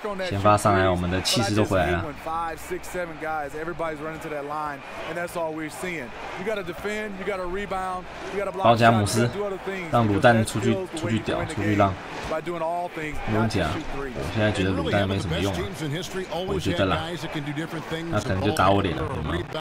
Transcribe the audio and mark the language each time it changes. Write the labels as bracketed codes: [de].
[zh] 先发上来，我们的气势都回来了。 [en] Five, six, seven guys, everybody's running to that line, and that's all we're seeing. You got to defend, you got to rebound, you got to block. [zh] 包夹姆斯，让卤蛋出去屌，出去浪。没问题啊，我现在觉得卤蛋没什么用了、啊，我觉得啦，那可能就打我脸了，懂吗？